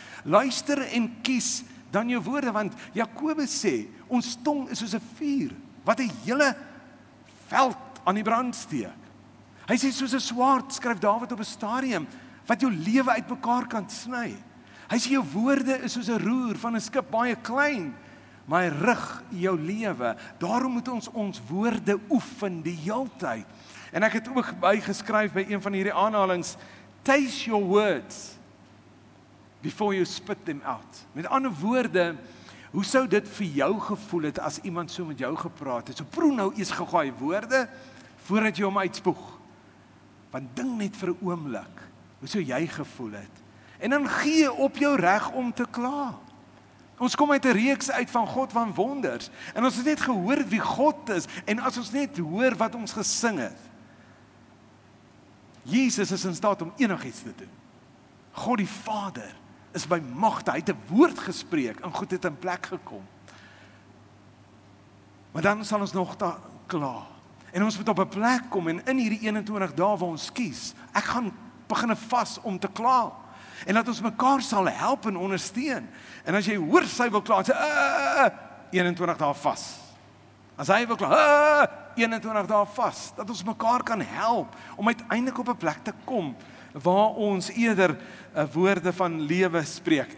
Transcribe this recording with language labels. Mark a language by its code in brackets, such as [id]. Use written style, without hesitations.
[af] Luister en kies dan jou woorde, want Jakobus sê, ons tong is soos 'n vuur, wat 'n hele veld aan die brand steek. Hy sê, soos 'n swaard, skryf David op 'n stadium, wat jou lewe uit mekaar kan sny. Hy sê, jou woorde is soos 'n roer van 'n skip, baie klein, maar hy rig jou lewe. Daarom moet ons ons woorde oefen die hele tyd. En ek het ook bygeskryf by een van hierdie aanhalings, [en] taste your words before you spit them out. [af] Met ander woorde, hoe sou dit vir jou gevoel het as iemand so met jou gepraat het? So proe nou eers gegaai woorde voordat jy hom uitspoeg. Want ding net vir 'n oomblik, hoe sou jy gevoel het? En dan gee op jou reg om te kla. Ons kom uit 'n reeks uit van God van wonders. En ons het net gehoor wie God is. En as ons net hoor wat ons gesing het. Jesus is in staat om enigiets te doen. God die Vader is by magte, hy het 'n woord gespreek, en God het in plek gekom. Maar dan sal ons nog daar klaar. En ons moet op 'n plek kom, en in hierdie 21 dae waar ons kies, ek gaan beginne vas om te klaar. En dat ons mekaar sal help en ondersteun. En as jy hoor, sy wil klaar, sê, 21 dae vas. As hy wil klaar, 21 dae vas. Dat ons mekaar kan help, om uiteindelik op 'n plek te kom, waar ons eerder woorde van lewe spreek.